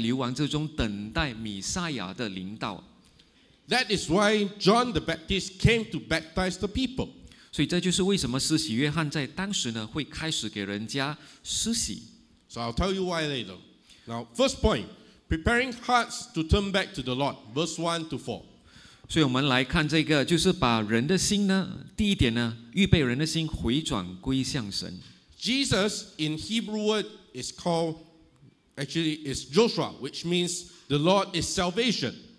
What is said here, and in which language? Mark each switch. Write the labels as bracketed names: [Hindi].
[Chinese] 特别是在他们的那个时候呢，是在流亡之中等待弥赛亚的临到。 [English] That is why John the Baptist came to baptize the people. [Chinese] 所以这就是为什么施洗约翰在当时呢，会开始给人家施洗。 [English] So I'll tell you why later. Now, first point, preparing hearts to turn back to the Lord, verse 1 to 4. [Chinese] 所以我们来看这个，就是把人的心呢，第一点呢，预备人的心回转归向神。 [English] Jesus, in Hebrew word, is called, actually, is Joshua, which means the Lord is salvation.